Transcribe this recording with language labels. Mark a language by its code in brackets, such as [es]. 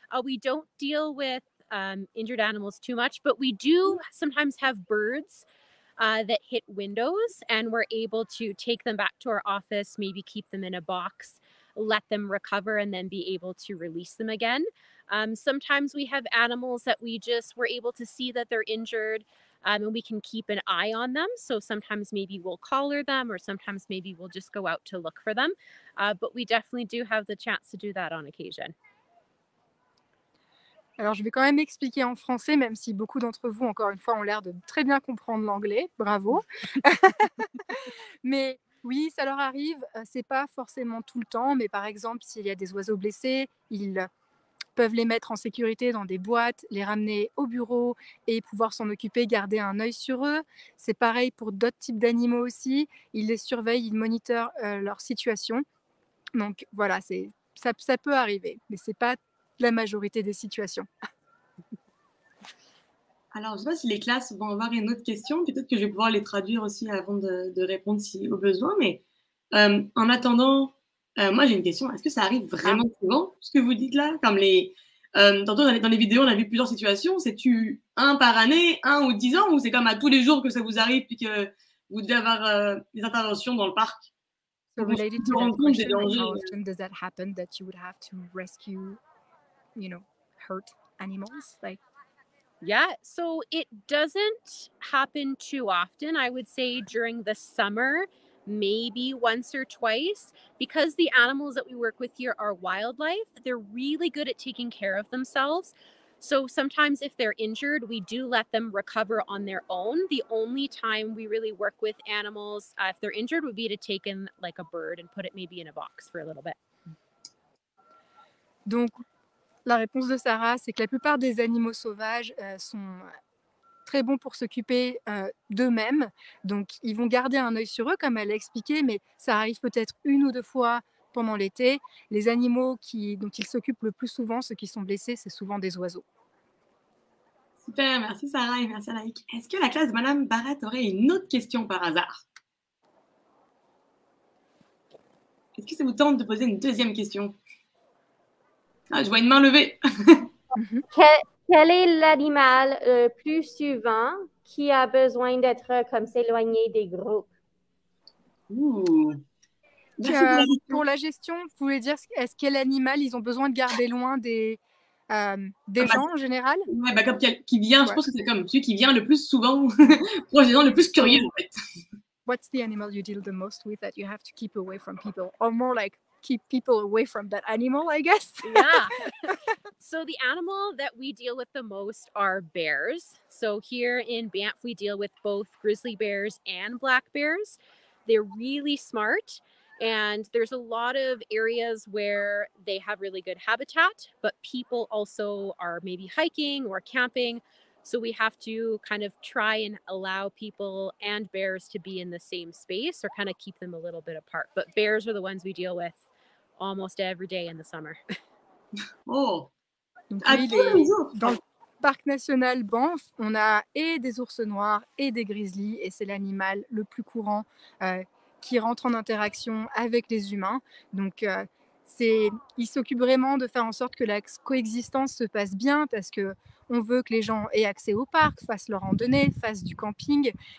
[en] We don't deal with injured animals too much, but we do sometimes have birds that hit windows, and we're able to take them back to our office, maybe keep them in a box, let them recover, and then be able to release them again. Sometimes we have animals that we just were able to see that they're injured, and we can keep an eye on them. So sometimes maybe we'll collar them, or sometimes maybe we'll just go out to look for them. But we definitely do have the chance to do that on occasion. [fr] Alors, je vais quand même expliquer en français, même si beaucoup d'entre vous, encore une fois, ont l'air de très bien comprendre l'anglais. Bravo. Mais oui, ça leur arrive. C'est pas forcément tout le temps, mais par exemple, s'il y a des oiseaux blessés, ils peuvent les mettre en sécurité dans des boîtes, les ramener au bureau et pouvoir s'en occuper, garder un œil sur eux. C'est pareil pour d'autres types d'animaux aussi. Ils les surveillent, ils monitorent leur situation. Donc voilà, ça peut arriver, mais ce n'est pas la majorité des situations. Alors, je ne sais pas si les classes vont avoir une autre question. Peut-être que je vais pouvoir les traduire aussi avant de répondre si au besoin. Mais en attendant... moi, j'ai une question. Est-ce que ça arrive vraiment souvent, ce que vous dites là? Comme les... tantôt, dans les vidéos, on a vu plusieurs situations. C'est-tu un par année, un ou 10 ans, ou c'est comme à tous les jours que ça vous arrive puis que vous devez avoir des interventions dans le parc? [en] So related to that question, how often does that happen that you would have to rescue, you know, hurt animals? Like... Yeah, so it doesn't happen too often. I would say during the summer, maybe once or twice, because the animals that we work with here are wildlife, they're really good at taking care of themselves. So sometimes if they're injured, we do let them recover on their own. The only time we really work with animals, if they're injured, would be to take in like a bird and put it maybe in a box for a little bit. [fr] Donc, la réponse de Sarah, c'est que la plupart des animaux sauvages sont très bon pour s'occuper d'eux-mêmes. Donc, ils vont garder un œil sur eux, comme elle a expliqué, mais ça arrive peut-être une ou deux fois pendant l'été. Les animaux dont ils s'occupent le plus souvent, ceux qui sont blessés, c'est souvent des oiseaux. Super, merci Sarah et merci Anaïk. Est-ce que la classe de Madame Barrett aurait une autre question par hasard? Est-ce que ça vous tente de poser une deuxième question? Ah, je vois une main levée. Quel est l'animal le plus souvent qui a besoin d'être comme s'éloigner des groupes? Ouh. Pour la gestion, vous voulez dire, est-ce quel animal ils ont besoin de garder loin des gens en général? Ouais, bah comme qui vient, ouais. Je pense que c'est comme celui qui vient le plus souvent, pour les gens le plus curieux en fait. [en] What's the animal you deal the most with that you have to keep away from people, or more like keep people away from that animal, I guess? Yeah. So the animal that we deal with the most are bears. So here in Banff, we deal with both grizzly bears and black bears. They're really smart, and there's a lot of areas where they have really good habitat, but people also are maybe hiking or camping. So we have to kind of try and allow people and bears to be in the same space, or kind of keep them a little bit apart. But bears are the ones we deal with almost every day in the summer. Oh, [fr] Donc, lui, il est dans le parc national Banff, on a et des ours noirs et des grizzlies, et c'est l'animal le plus courant qui rentre en interaction avec les humains. Donc, il s'occupe vraiment de faire en sorte que la coexistence se passe bien, parce que on veut que les gens aient accès au parc, fassent leur randonnée, fassent du camping.